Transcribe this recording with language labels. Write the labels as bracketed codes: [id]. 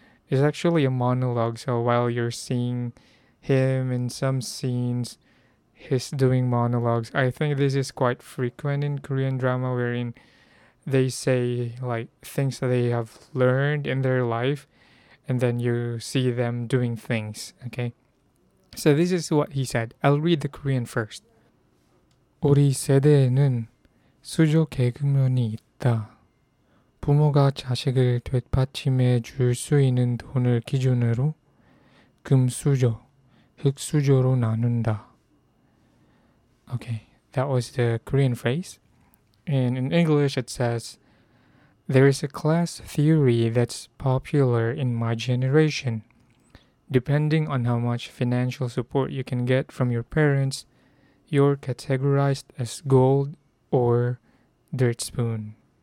[en] It's actually a monologue, so while you're seeing him in some scenes, he's doing monologues. I think this is quite frequent in Korean drama, wherein they say like things that they have learned in their life, and then you see them doing things, okay? So this is what he said. I'll read the Korean first. [ko] 우리 세대에는 수조 계급론이 있다. 부모가 자식을 뒷받침해 줄 수 있는 돈을 기준으로 금수저, 흙수저로 나눈다. [en] Okay, that was the Korean phrase. And in English it says, There is a class theory that's popular in my generation. Depending on how much financial support you can get from your parents, you're categorized as gold or dirt spoon.